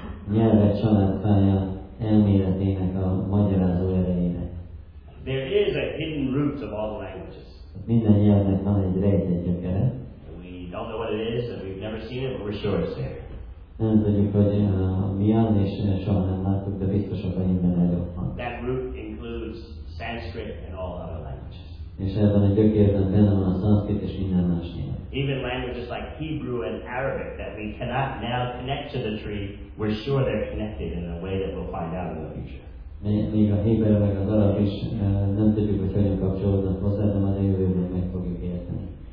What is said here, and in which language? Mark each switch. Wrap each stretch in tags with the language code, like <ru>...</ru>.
<hu>Nyelvek családfája elméletének a magyarázó erejére.</hu> <en>There is a hidden root of all languages.</en> <hu>Minden jelnek van egy rejtett gyökere.</hu> <en>We don't know what it is, and we've never seen it, but we're sure it's there.</en> <hu>Nem tudjuk, hogy mi az, és soha nem láttuk, de biztos a fejünkben előfordul.</hu> <en>That root includes Sanskrit and all other languages.</en> <hu>És ebben a gyökérben benne van a Sanskrit és minden más nyelv.</hu> <en>Even languages like Hebrew and Arabic that we cannot now connect to the tree, we're sure they're connected in a way that we'll find out in the future.</en> <hu>Még a Héber meg az arab is nem tudjuk, hogy hogyan kapcsolódnak hozzá, de majd a jövőben meg fogjuk érteni.</hu>